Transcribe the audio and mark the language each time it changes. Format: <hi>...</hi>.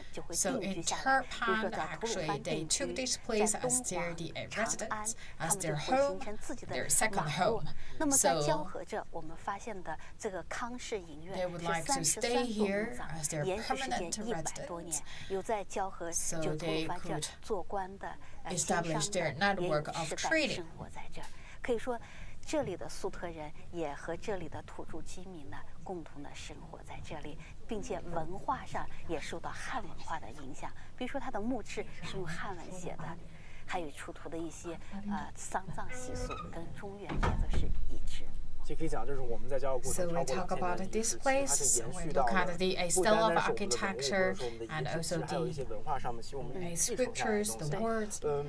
<en>So in Turpan, actually, they took this place as their residence, as their home, their second home. So they would like to stay here as their permanent residence. So they could establish their network of trading.</en> <zh>可以说这里的苏特人也和这里的土著居民呢共同的生活在这里，并且文化上也受到汉文化的影响，比如说它的墓志是用汉文写的，还有出土的一些丧葬习俗跟中原建筑是一致。</zh> <en>So we talk about this place, we look at the stellar of architecture and also the scriptures, the words.</en>